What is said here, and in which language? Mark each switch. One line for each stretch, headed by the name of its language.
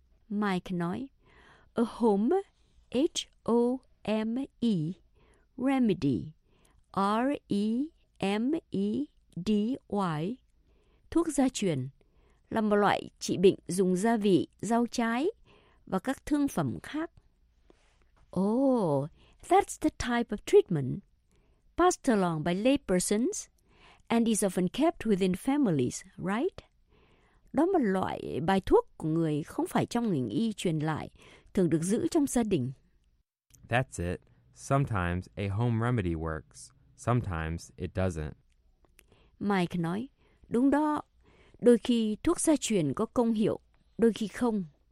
Vietnamese: Mike nói,
English: a home, H-O-M-E, remedy, R-E-M-E-D-Y,
Vietnamese: thuốc gia truyền, là một loại trị bệnh dùng gia vị, rau trái và các thương phẩm khác.
English: Oh, that's the type of treatment passed along by laypersons and is often kept within families, right?
Vietnamese: Đó là loại bài thuốc của người không phải trong ngành y truyền lại, thường được giữ trong gia đình.
English: That's it. Sometimes a home remedy works. Sometimes it doesn't.
Vietnamese: Mike nói, đúng đó. Đôi khi thuốc gia truyền có công hiệu, đôi khi không.